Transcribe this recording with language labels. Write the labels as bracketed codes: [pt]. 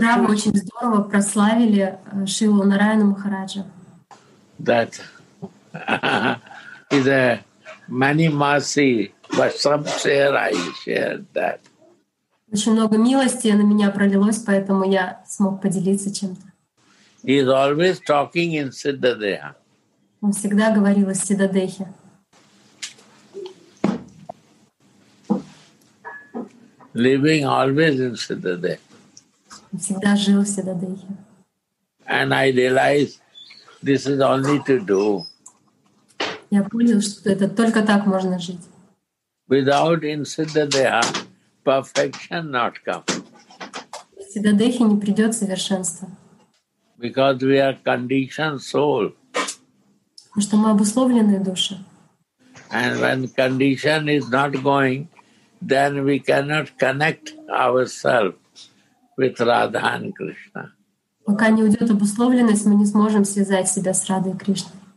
[ru] Вчера вы очень здорово прославили Шрилу Нараяна Махараджа. [en] That is a many mercy, but some share I shared that. [ru] Очень много милости на меня пролилось, поэтому я смог поделиться чем-то. [en] He is always talking in Siddha Deha. [ru] Он всегда говорил о Siddha Deha. [en] Living always in Siddha Deha. [ru] Всегда жил в Siddha Deha. [en] And I realize this is only to do. [ru] Я понял, что это только так можно жить. [en] Without in Siddha Deha, perfection not come. [ru] В Siddha Deha не придет совершенство. [en] Because we are conditioned soul. [ru] Потому что мы обусловленные души. [en] And when condition is not going, then we cannot connect ourselves with Radha and Krishna. [ru] Пока не уйдет обусловленность, мы не сможем связать себя с Радой и Кришной.